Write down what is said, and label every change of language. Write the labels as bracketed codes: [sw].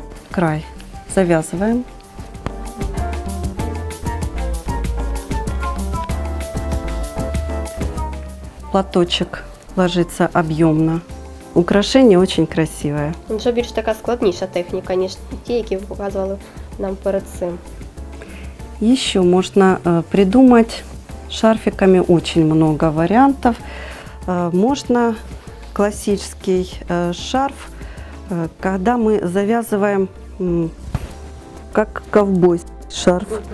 [ru] Край завязываем. Платочек ложится объемно. Украшение очень красивое. [uk] Уже більш така складніша техніка, ніж ті, які показували нам перед цим. [ru] Еще можно придумать шарфиками очень много вариантов. Можно классический шарф, когда мы завязываем как ковбой шарф.